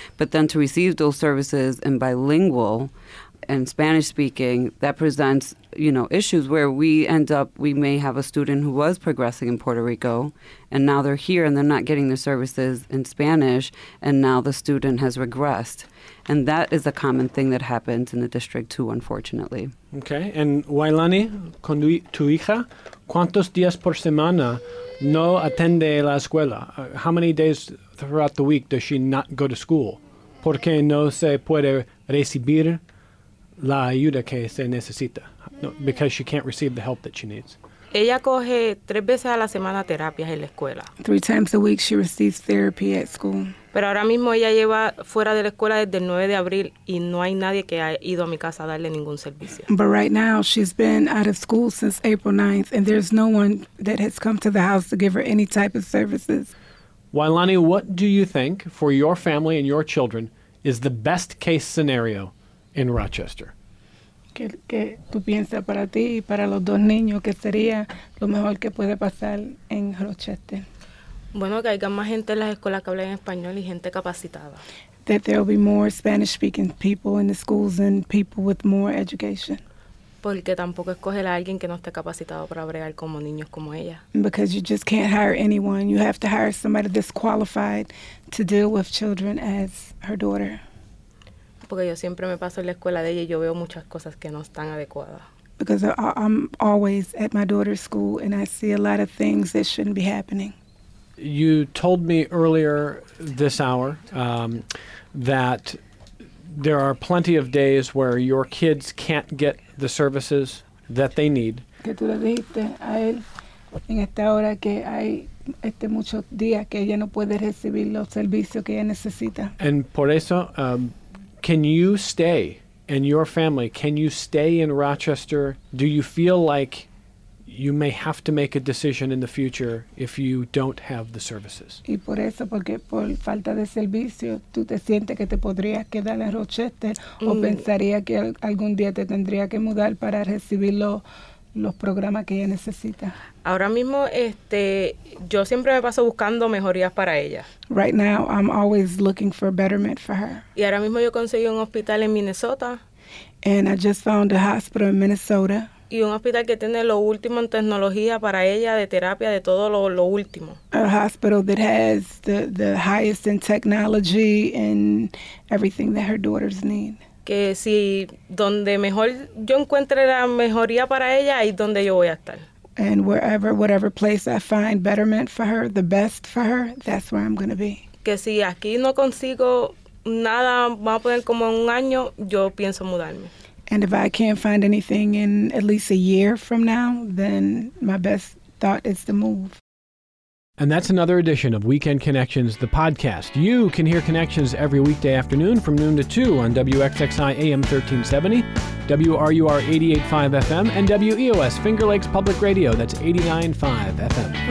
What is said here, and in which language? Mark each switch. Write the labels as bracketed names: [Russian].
[English] But then to receive those services in bilingual and Spanish-speaking, that presents, you know, issues where we may have a student who was progressing in Puerto Rico, and now they're here and they're not getting the services in Spanish, and now the student has regressed. And that is a common thing that happens in the district too, unfortunately. [Spanish] Okay. And Wailani, con tu hija, ¿cuántos días por semana no atiende la escuela? [English] How many days throughout the week does she not go to school? [Spanish] ¿Por qué no se puede recibir la ayuda que se necesita? [English] No, because she can't receive the help that she needs. [Spanish] Ella coge 3 veces a la semana terapias en la escuela. [English] 3 times a week she receives therapy at school. [Spanish] Pero ahora mismo ella lleva fuera de la escuela desde el 9 de abril y no hay nadie que haya ido a mi casa a darle ningún servicio. [English] But right now she's been out of school since April 9th and there's no one that has come to the house to give her any type of services. Wailani, what do you think for your family and your children is the best case scenario in Rochester? [Spanish] ¿Qué tú piensas para ti y para los dos niños que sería lo mejor que puede pasar en Rochester? Bueno, que haya más gente en las escuelas que hable en español y gente capacitada. [English] That there will be more Spanish-speaking people in the schools and people with more education. [Spanish] Porque tampoco escoger a alguien que no esté capacitado para bregar como niños como ella. [English] Because you just can't hire anyone. You have to hire somebody that's qualified to deal with children as her daughter. [Spanish] porque yo siempre me paso en la escuela de ella y yo veo muchas cosas que no están adecuadas. [English] Because I'm always at my daughter's school and I see a lot of things that shouldn't be happening. You told me earlier this hour that there are plenty of days where your kids can't get the services that they need. [Spanish] Que tú le dijiste a él en esta hora que hay este muchos días que ella no puede recibir los servicios que ella necesita. [English] And [Spanish] por eso, [English] can you stay? And your family, can you stay in Rochester? Do you feel like you may have to make a decision in the future if you don't have the services? [Spanish] Y por eso, porque por falta de servicio, tú te sientes que te podrías quedar en Rochester o pensaría que algún día te tendría que mudar para recibir los programas que ella necesita. Ahora mismo, yo siempre me paso buscando mejorías para ella. [English] Right now, I'm always looking for betterment for her. [Spanish] Y ahora mismo yo conseguí un hospital en Minnesota. [English] And I just found a hospital in Minnesota. [Spanish] Y un hospital que tiene lo último en tecnología para ella, de terapia, de todo lo último. [English] A hospital that has the highest in technology and everything that her daughters need. [Spanish] Que si donde mejor yo encuentre la mejoría para ella, ahí es donde yo voy a estar. [English] And wherever, whatever place I find betterment for her, the best for her, that's where I'm going to be. [Spanish] Que si aquí no consigo nada, vamos a poner como un año, yo pienso mudarme. [English] And if I can't find anything in at least a year from now, then my best thought is to move. And that's another edition of Weekend Connections, the podcast. You can hear Connections every weekday afternoon from noon to 2 on WXXI AM 1370, WRUR 88.5 FM, and WEOS Finger Lakes Public Radio, that's 89.5 FM.